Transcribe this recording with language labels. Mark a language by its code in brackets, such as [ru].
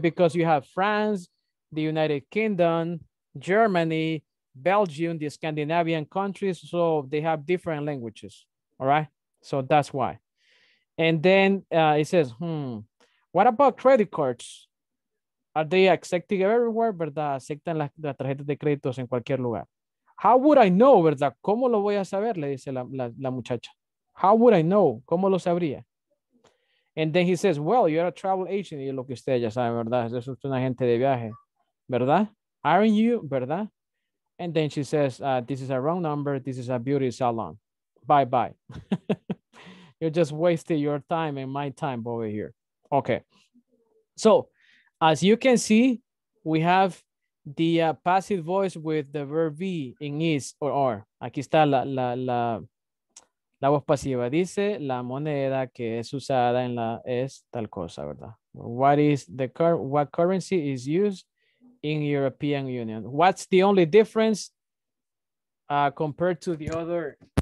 [en] Because you have France, the United Kingdom, Germany, Belgium, the Scandinavian countries, so they have different languages, all right? So that's why. And then it says, what about credit cards? Are they accepted everywhere, [es] verdad? Aceptan las tarjetas de créditos en cualquier lugar. [en] How would I know, [es] verdad? ¿Cómo lo voy a saber? Le dice la muchacha. [en] How would I know? [es] ¿Cómo lo sabría? [en] And then he says, well, you're a travel agent. [es] Y lo que usted ya sabe, verdad? Eso es un agente de viaje, verdad? [en] Aren't you, [es] verdad? [en] And then she says, this is a wrong number. This is a beauty salon. Bye-bye. You're just wasting your time and my time over here. Okay. So as you can see, we have the passive voice with the verb be in is or are. [es] Aquí está la voz pasiva. Dice la moneda que es usada en la es tal cosa, ¿verdad? [en] What is the what currency is used in European Union? What's the only difference compared to the other